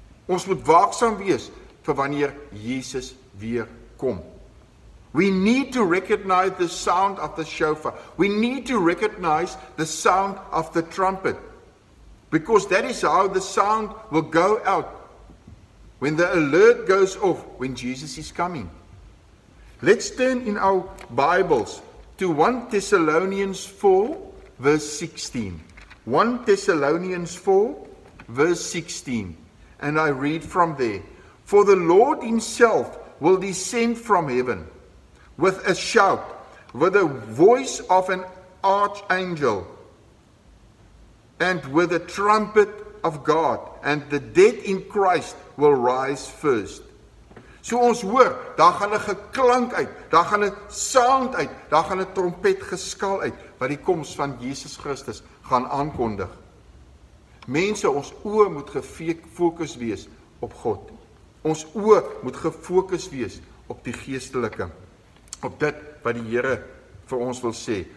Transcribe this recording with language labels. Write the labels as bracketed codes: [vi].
[af] Ons moet waaksaam wees vir wanneer Jesus weer kom. [en] We need to recognize the sound of the shofar. We need to recognize the sound of the trumpet. Because that is how the sound will go out when the alert goes off when Jesus is coming. Let's turn in our Bibles to 1 Thessalonians 4 verse 16. 1 Thessalonians 4 verse 16. And I read from there. For the Lord himself will descend from heaven with a shout, with the voice of an archangel, and with the trumpet of God, and the dead in Christ will rise first. [af] So ons hoor, daar gaan 'n geklank uit, daar gaan 'n sound uit, daar gaan 'n trompet geskal uit, wat die koms van Jesus Christus gaan aankondig. Mense, ons oë moet gefokus wees op God. Ons oë moet gefokus wees op die geestelike, op dit wat die Here vir ons wil sê.